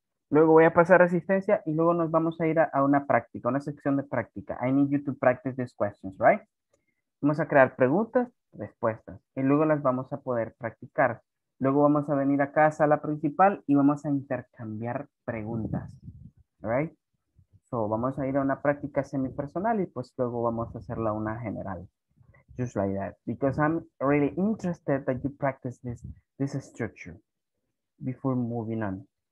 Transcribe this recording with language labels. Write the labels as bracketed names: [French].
[Spanish] Luego voy a pasar asistencia y luego nos vamos a ir a una práctica, una sección de práctica. [English] I need you to practice these questions, right? [Spanish] Vamos a crear preguntas, respuestas, y luego las vamos a poder practicar. Luego vamos a venir acá a sala principal y vamos a intercambiar preguntas. Right? So, vamos a ir a una práctica semipersonal y pues luego vamos a hacerla una general. [English] Just like that. Because I'm really interested that you practice this structure before moving on.